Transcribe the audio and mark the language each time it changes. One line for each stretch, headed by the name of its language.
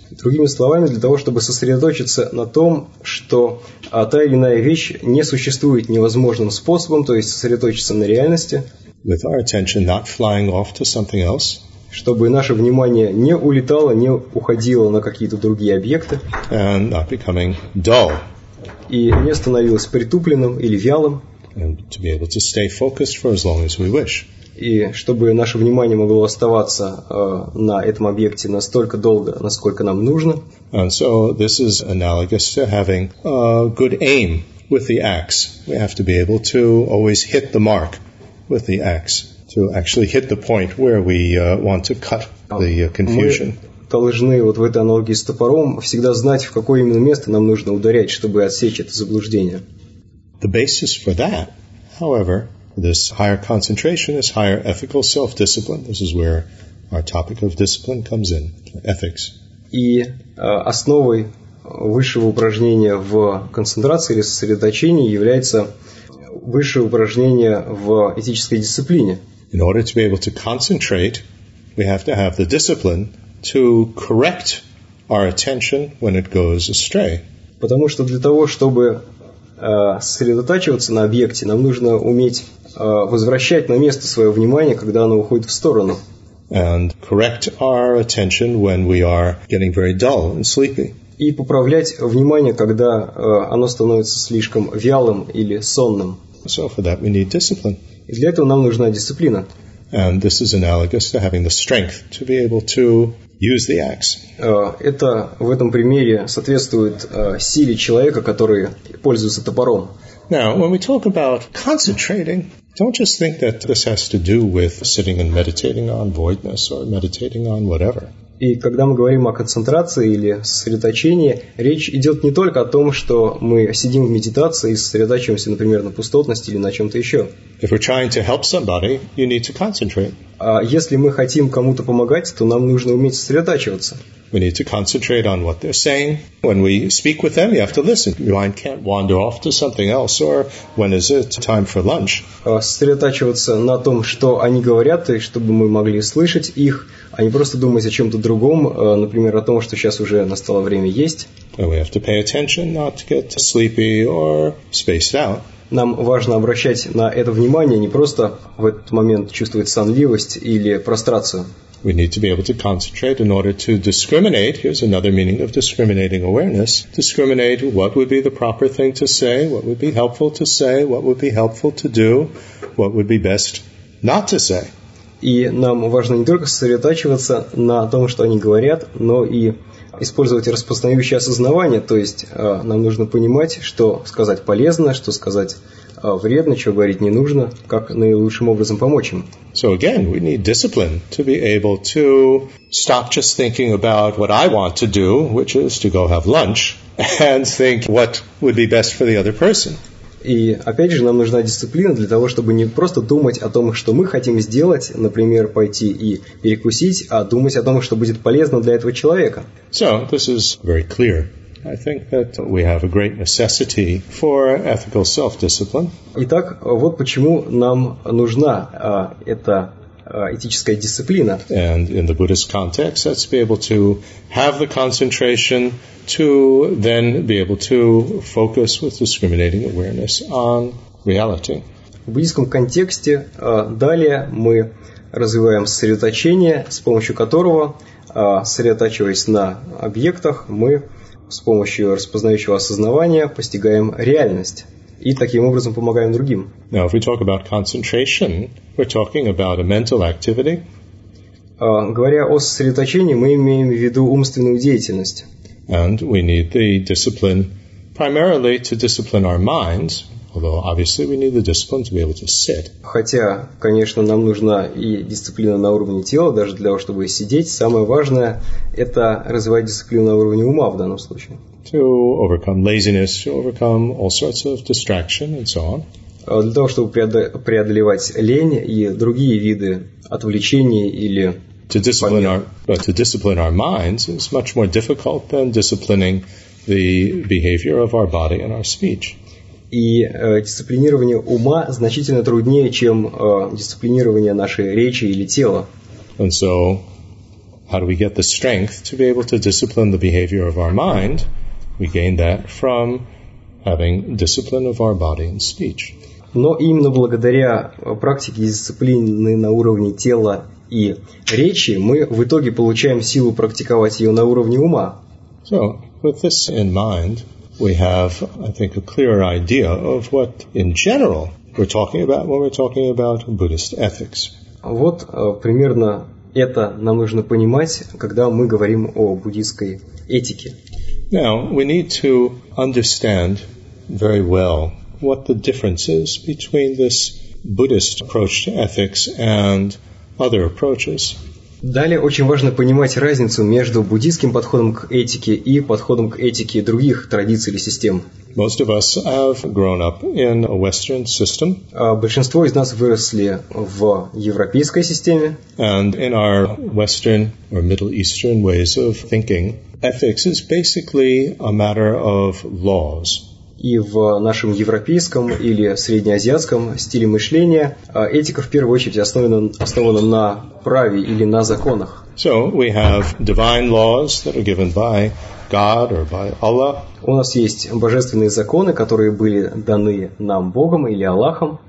Russian: Другими словами, для того, чтобы сосредоточиться на том, что та или иная вещь не существует невозможным способом, то есть сосредоточиться на реальности.
English: With our attention not flying off to something else.
Russian: Чтобы наше внимание не улетало, не уходило на какие-то другие объекты.
English: And not becoming dull.
Russian: И не становилось притупленным или вялым.
English: And to be able to stay focused for as long as we wish.
Russian: И чтобы наше внимание могло оставаться на этом объекте настолько долго, насколько нам нужно.
English: And so this is analogous to having a good aim with the axe. We have to be able to always hit the mark with the axe to actually hit the point where we want to cut the confusion.
Russian: Мы должны вот в этой аналогии с топором всегда знать, в какое именно место нам нужно ударять, чтобы отсечь это заблуждение.
English: The basis for that, however, this higher concentration is higher ethical self-discipline. This is where our topic of discipline comes in, ethics.
Russian: И основой высшего упражнения в концентрации или сосредоточении является высшее упражнение в этической дисциплине.
English: In order to be able to concentrate, we have to have the discipline to correct our attention when it goes astray.
Russian: Потому что для того, чтобы сосредотачиваться на объекте, нам нужно уметь возвращать на место свое внимание, когда оно уходит в сторону.
English: And correct our attention when we are getting very dull and sleepy.
Russian: И поправлять внимание, когда оно становится слишком вялым или сонным.
English: So for that we need discipline.
Russian: И для этого нам нужна дисциплина.
English: And this is analogous to having the strength to be able to use the axe.
Russian: Это в этом примере соответствует силе человека, который пользуется топором.
English: Now, when we talk about concentrating, don't just think that this has to do with sitting and meditating on voidness or meditating on whatever.
Russian: И когда мы говорим о концентрации или сосредоточении, речь идет не только о том, что мы сидим в медитации и сосредоточиваемся, например, на пустотности или на чем-то еще.
English: If we're trying to help somebody, you need to concentrate.
Russian: А если мы хотим кому-то помогать, то нам нужно уметь сосредотачиваться.
English: We need to concentrate on what they're saying. When we speak with them, you have to listen. Your mind can't wander off to something else. Or when is it time for lunch?
Russian: Сосредотачиваться на том, что они говорят, и чтобы мы могли слышать их, а не просто думать о чем-то другом, например, о том, что сейчас уже настало время есть.
English: And we have to pay attention not to get sleepy or spaced out.
Russian: Нам важно обращать на это внимание, не просто в этот момент чувствовать сонливость или прострацию.
English: We need to be able to concentrate in order to discriminate. Here's another meaning of discriminating awareness. Discriminate what would be the proper thing to say, what would be helpful to say, what would be helpful to do, what would be best not to say.
Russian: И нам важно не только сосредотачиваться на том, что они говорят, но и использовать распознающее осознавание. То есть нам нужно понимать, что сказать полезно, что сказать вредно, чего говорить не нужно, как наилучшим образом помочь им.
English: So again, we need discipline to be able to stop just thinking about what I want to do, which is to go have lunch, and think what would be best for the other person.
Russian: И опять же, нам нужна дисциплина для того, чтобы не просто думать о том, что мы хотим сделать, например, пойти и перекусить, а думать о том, что будет полезно для этого человека.
English: So, this is very clear. I think that we have a great necessity for ethical self-discipline.
Russian: Итак, вот почему нам нужна эта этическая дисциплина.
English: And in the Buddhist context, that's to be able to have the concentration to then be able to focus with discriminating awareness on reality.
Russian: В буддийском контексте далее мы развиваем сосредоточение, с помощью которого, сосредотачиваясь на объектах, мы с помощью распознающего осознавания постигаем реальность и таким образом помогаем другим.
English: Now, if we talk about concentration, we're talking about a mental activity.
Russian: Говоря о сосредоточении, мы имеем в виду умственную деятельность.
English: And we need the discipline primarily to discipline our minds, although obviously we need the discipline to be able to sit.
Russian: Хотя, конечно, нам нужна и дисциплина на уровне тела, даже для того, чтобы сидеть. Самое важное – это развивать дисциплину на уровне ума в данном случае.
English: To overcome laziness, to overcome all sorts of distraction and so on.
Russian: Для того, чтобы преодолевать лень и другие виды отвлечений или...
English: To discipline our minds is much more difficult than disciplining the behavior of our body and our speech.
Russian: И дисциплинирование ума значительно труднее, чем дисциплинирование нашей речи или тела.
English: And so, how do we get the strength to be able to discipline the behavior of our mind? We gain that from having discipline of our body and speech.
Russian: Но именно благодаря практике дисциплины на уровне тела и речи мы в итоге получаем силу практиковать ее на уровне ума.
English: So, with this in mind, we have, I think, a clearer idea of what, in general, we're talking about when we're talking about Buddhist ethics.
Russian: Вот примерно это нам нужно понимать, когда мы говорим о буддийской этике.
English: Now, we need to understand very well what the difference is between this Buddhist approach to ethics and other approaches.
Russian: Далее очень важно понимать разницу между буддийским подходом к этике и подходом к этике других традиций или систем.
English: Most of us have grown up in a Western system.
Russian: Большинство из нас выросли в европейской системе.
English: And in our Western or Middle Eastern ways of thinking, ethics is basically a matter of laws.
Russian: И в нашем европейском или среднеазиатском стиле мышления этика в первую очередь основана на праве или на законах.
English: So we have divine laws that are given by God or by Allah.
Russian: У нас есть божественные законы, которые были даны нам Богом или Аллахом.